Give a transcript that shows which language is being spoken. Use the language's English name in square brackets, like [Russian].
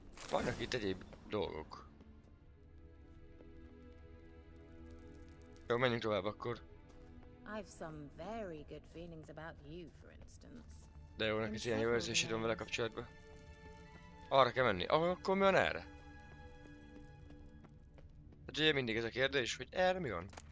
[Hungarian] Vannak itt egyéb dolgok. Jó, menjünk tovább akkor. [English] I've some very good feelings about you, for instance. [Hungarian] De jó, neki ilyen jó érzésed van vele kapcsolatban. Arra kell menni. Ah, akkor mi van erre? Hát ugye mindig ez a kérdés, hogy erre mi van?